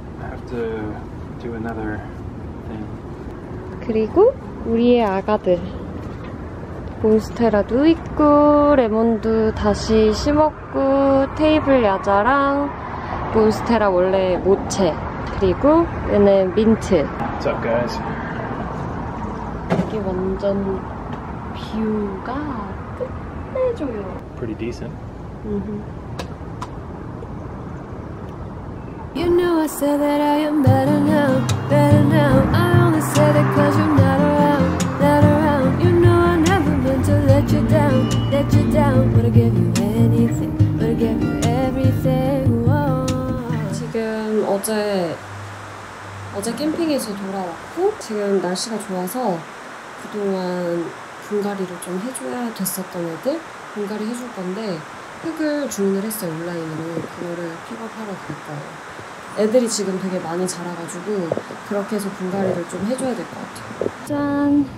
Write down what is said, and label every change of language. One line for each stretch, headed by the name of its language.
English: I have to do another thing.
Korean: 그리고 우리의 아가들. 몬스테라도 있고, 레몬도 다시 심었고, 테이블 야자랑 몬스테라 원래 모체. 그리고 얘는 민트.
English: What's up, guys?
Korean: 이게 완전 뷰가 끝내줘요.
English: Pretty decent. You know I said that I am better now, better now. I only said it 'cause you're not around, not around. You know I never meant to let you down, let you down. But I give you anything, but I give you everything.
Korean: 지금 어제 캠핑에서 돌아왔고 지금 날씨가 좋아서 그동안 분갈이를 좀 해줘야 됐었던 애들 분갈이 해줄 건데 흙을 주문을 했어요. 온라인으로 그거를 픽업하러 갈 거예요. 애들이 지금 되게 많이 자라가지고 그렇게 해서 분갈이를 좀 해줘야 될 것 같아요. 짠!